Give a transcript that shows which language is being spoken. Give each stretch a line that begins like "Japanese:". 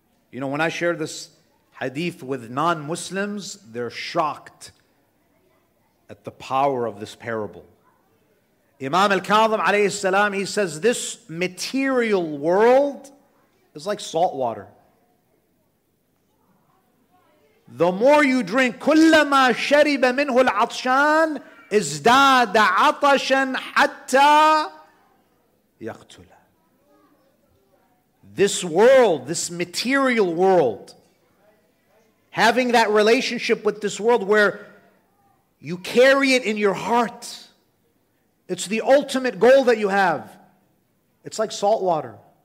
English: You know, when I share this hadith with non-Muslims, they're shocked at the power of this parable. Imam al-Kadhim alayhi salam, he says, this material world is like salt water. The more you drink,
Arabic: كُلَّمَا شَرِبَ مِنْهُ الْعَطْشَانِ ازْدَادَ عَطَشًا حَتَّى يَقْتُلَ.
English: This world, this material world, having that relationship with this world where you carry it in your heart, it's the ultimate goal that you have. It's like salt water.